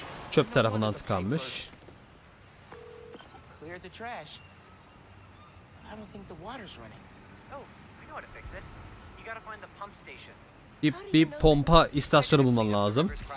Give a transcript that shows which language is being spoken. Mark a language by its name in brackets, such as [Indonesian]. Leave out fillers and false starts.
[Turkish] Çöp tarafından tıkanmış. [English] Clear the trash. I don't think the water's running. Oh, I know how to fix it. You gotta find the pump station. [Turkish] Bir pompa istasyonu bulman lazım.